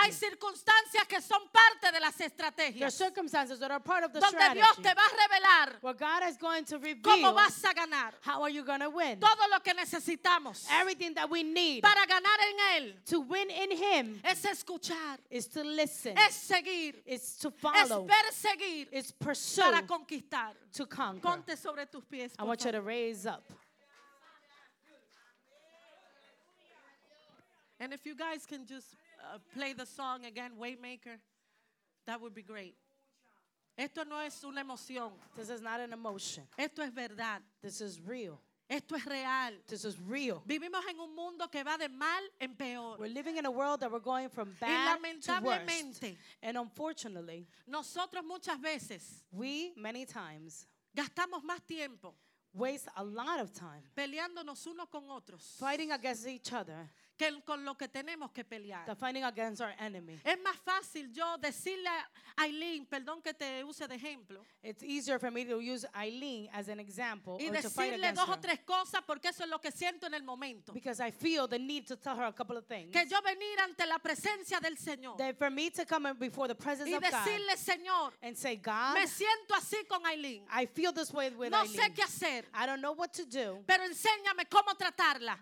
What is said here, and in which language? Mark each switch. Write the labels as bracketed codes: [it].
[es] Hay circunstancias que son parte de las estrategias. [en] There's circumstances that are part of the [es] donde [en] strategy. [es] Dios te va a revelar. [en] What God is going to reveal. [es] ¿Cómo vas a ganar? [en] How are you going to win? [es] Todo lo que necesitamos. [en] Everything that we need. [es] Para ganar en él. [en] To win in him. [es] Es escuchar. [en] Is to listen. [es] Es seguir. [en] Is to follow. [es] Es perseguir. [en] Is pursue. [es] Para conquistar. [en] To conquer. [es] Ponte sobre tus pies. [en] I want you to raise up. And if you guys can just play the song again, Waymaker, that would be great. [es] Esto no es una emoción. [en] This is not an emotion. [es] Esto es verdad. [en] This is real. [es] Esto es real. [en] This is real. [es] Vivimos en un mundo que va de mal en peor. [en] We're living in a world that we're going from bad [es] y lamentablemente, [en] to worst. And unfortunately, [es] nosotros muchas veces, [en] we many times, [es] gastamos más tiempo, [en] waste a lot of time, [es] peleándonos unos con otros, [en] fighting against each other, [es] que con lo que tenemos que pelear. [en] The fighting against our enemy. [es] Es más fácil yo decirle a Aileen, perdón que te use de ejemplo. [en] It's easier for me to use Aileen as an example [es] y [en] or to fight against [es] dos o tres cosas porque eso es lo que siento en el momento. [en] Because I feel the need to tell her a couple of things. [es] Que yo venir ante la presencia del Señor. [en] That for me to come before the presence [es] y [en] of [es] decirle, [en] God. [es] Señor, [en] and say, God, [es] me siento así con Aileen. [en] I feel this way with [es] no [en] Aileen. [es] No sé qué hacer. [en] I don't know what to do. [es] Pero enséñame cómo tratarla.